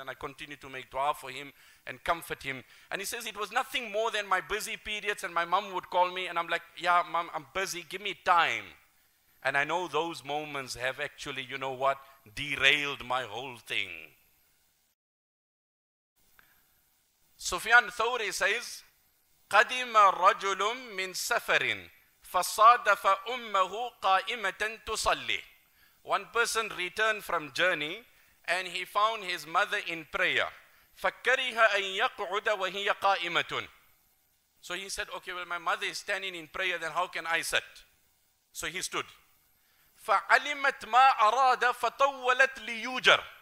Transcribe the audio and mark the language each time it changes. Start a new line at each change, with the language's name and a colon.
English: And I continue to make dua for him and comfort him. And he says it was nothing more than my busy periods. And my mom would call me. And I'm like, yeah, mom, I'm busy. Give me time. And I know those moments have actually, you know what, derailed my whole thing. Sufyan Thawri says,
Arabic: قَدِمَ رَجُلٌ مِّن سَفَرٍ فَصَادَفَ أُمَّهُ قَائِمَةً تُصَلِّ.
English: One person returned from journey and he found his mother in prayer.
Arabic: فَكَرِهَ أَن يَقْعُدَ وَهِيَ قَائِمَةٌ.
English: So he said, okay, well, my mother is standing in prayer, then how can I sit? So he stood.
Arabic: فَعَلِمَتْ مَا أَرَادَ فَطَوَّلَتْ لِيُجَرْ.